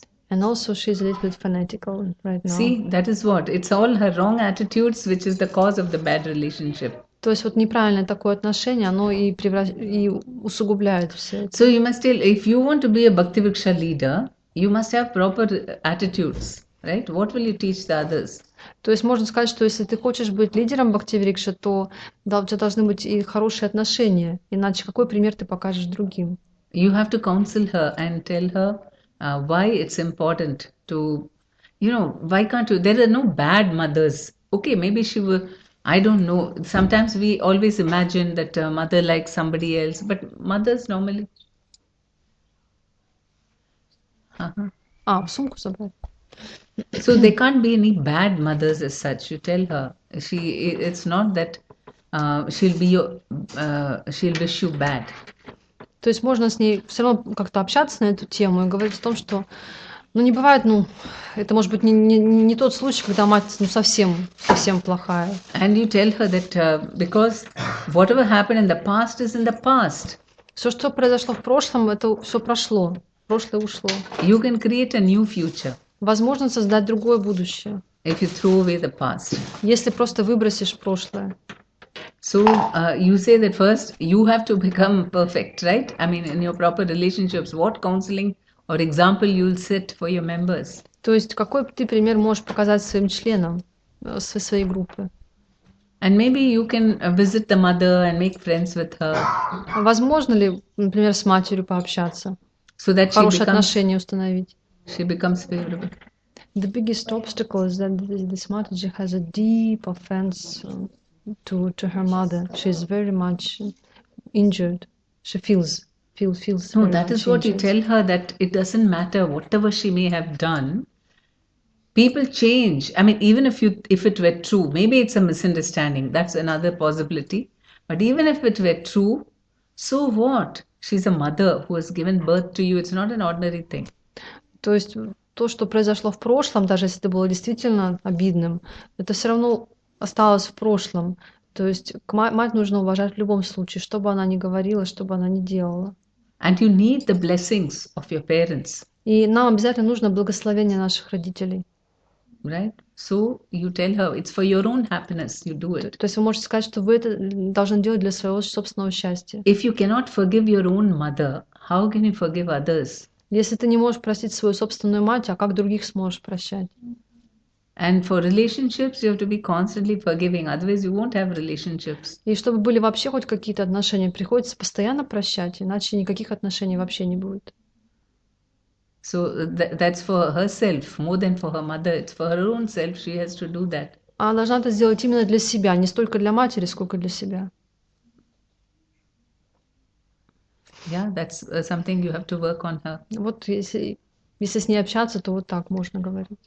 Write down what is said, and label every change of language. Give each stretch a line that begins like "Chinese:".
English: And also she's a little bit fanatical right now. See, that is what? It's all her wrong attitudes which is the cause of the bad relationship.
Russian: То есть вот неправильное такое отношение, оно и усугубляет все это.
English: So you must tell, if you want to be a Bhakti Viksha leader, you must have proper attitudes, right? What will you teach the others?
Russian: То есть можно сказать, что если ты хочешь быть лидером Бхактивикши, то да, у тебя должны быть и хорошие отношения, иначе какой пример ты покажешь другим?
English: You have to counsel her and tell her why it's important to, you know, why can't you? There are no bad mothers. Okay, maybe she will. I don't know. Sometimes we always imagine that a mother likes somebody else, but mothers normally.
Russian: А, в сумку забрать.
English: So there can't be any bad mothers as such. You tell her she it's not that she'll wish you bad.
Russian: То есть можно с ней все равно как-то общаться на эту тему и говорить о том, что, ну не бывает, ну это может быть не тот случай, когда мать ну совсем совсем плохая.
English: And you tell her that because whatever happened in the past is in the past.
Russian: Все, что произошло в прошлом, это все прошло, прошлое ушло.
English: You can create a new future.
Russian: Возможно создать другое будущее.
English: If you throw away the past.
Russian: Если просто выбросишь прошлое.
English: So you say that first you have to become perfect, right? I mean, in your proper relationships, what counseling or example you'll set for your members?
Russian: То есть какой ты пример можешь показать своим членам со своей группы?
English: And maybe you can visit the mother and make friends with her.
Russian: Возможно ли, например, с матерью пообщаться?
English: So that she
Russian: хорошие
English: becomes...
Russian: отношения установить?
English: She becomes favorable. The biggest obstacle is that this Mataji has a deep offense to her mother. She is very much injured. She feels feel No, spiritual that is what you changes. tell her, that it doesn't matter whatever she may have done. People change. I mean, even if it were true, maybe it's a misunderstanding. That's another possibility. But even if it were true, so what? She's a mother who has given birth to you. It's not an ordinary thing.
Russian: То есть то, что произошло в прошлом, даже если это было действительно обидным, это все равно осталось в прошлом. То есть мать нужно уважать в любом случае, что бы она ни говорила, что бы она ни делала.
English: And you need the blessings of your parents.
Russian: И нам обязательно нужно благословение наших родителей.
English: Right? So you tell her it's for your own happiness you do it.
Russian: То есть вы можете сказать, что вы это должны делать для своего собственного счастья.
English: If you cannot forgive your own mother, how can you forgive others?
Russian: Если ты не можешь простить свою собственную мать, а как других сможешь прощать? И чтобы были вообще хоть какие-то отношения, приходится постоянно прощать, иначе никаких отношений вообще не будет.
English: So that's for herself, more than for her mother. It's for her own self she has to do that.
Russian: Она должна это сделать именно для себя, не столько для матери, сколько для себя.
English: Yeah, that's something you have to work on her.
Russian: Вот если с ней общаться, то вот так можно говорить.